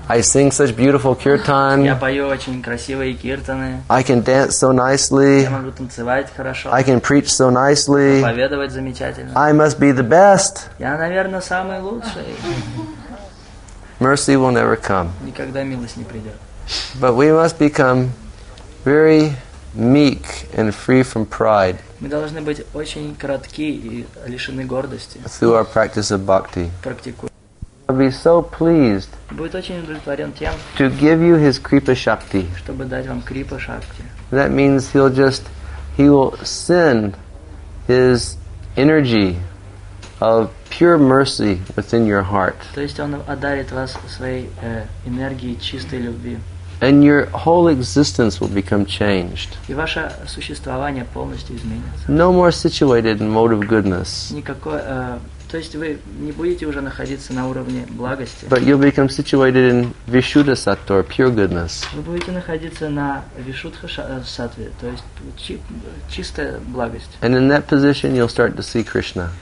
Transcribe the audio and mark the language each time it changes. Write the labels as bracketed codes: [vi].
[en] I sing such beautiful kirtan. [ru] Я пою очень красивые киртаны. [en] I can dance so nicely. [ru] Я могу танцевать хорошо. [en] I can preach so nicely. [ru] Проповедовать замечательно. [en] I must be the best. [ru] Я, наверное, самый лучший. [en] Mercy will never come. [ru] Никогда милость не придет. [en] But we must become very meek and free from pride. [ru] Мы должны быть очень кротки и лишены гордости. [en] Through our practice of bhakti. [ru] Практикуя. [en] I'll be so pleased. [ru] Будет очень удовлетворен тем. [en] To give you his kripa shakti. [ru] Чтобы дать вам крипа шакти. [en] That means he will send his energy of pure mercy within your heart. [ru] То есть он одарит вас своей энергией чистой любви. [en] And your whole existence will become changed. [ru] И ваше существование полностью изменится. [en] No more situated in mode of goodness. [ru] Никакой, то есть вы не будете уже находиться на уровне благости. [en] But you'll become situated in Vishuddha Sattva, pure goodness. [ru] Вы будете находиться на Вишудха Сатве, то есть чистая благость. [en] And in that position you'll start to see Krishna.